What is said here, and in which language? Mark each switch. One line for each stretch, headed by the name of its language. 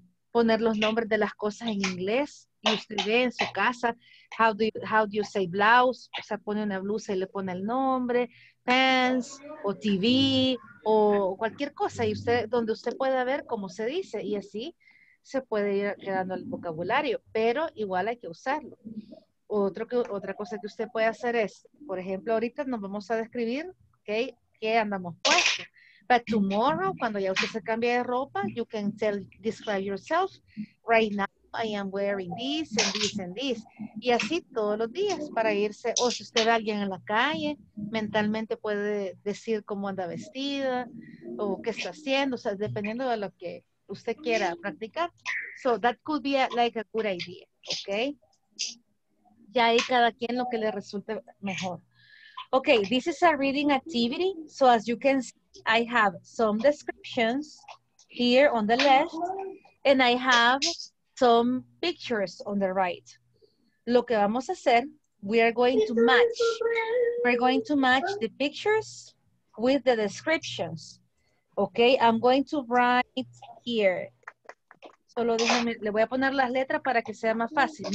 Spanish: poner los nombres de las cosas en inglés y usted ve en su casa
English: how do you say blouse,
Spanish: o sea, pone una blusa y le pone el nombre, pants o TV o cualquier cosa y usted donde usted pueda ver cómo se dice y así se puede ir quedando el vocabulario, pero igual hay que usarlo. Otra cosa que usted puede hacer es, por ejemplo, ahorita nos vamos a describir, okay, qué andamos puestos.
English: But tomorrow,
Spanish: cuando ya usted se cambie de ropa,
English: you can tell, describe yourself. Right now, I am wearing this and this and this.
Spanish: Y así todos los días para irse. O si usted ve a alguien en la calle, mentalmente puede decir cómo anda vestida o qué está haciendo. O sea, dependiendo de lo que usted quiera practicar.
English: So that could be a good idea, okay?
Spanish: Ya hay cada quien lo que le resulte mejor.
English: Okay, this is a reading activity. So as you can see, I have some descriptions here on the left and I have some pictures on the right.
Spanish: Lo que vamos a hacer,
English: we are going to match. We're going to match the pictures with the descriptions. Okay, I'm going to write here.
Spanish: Solo déjame, le voy a poner las letras para que sea más fácil.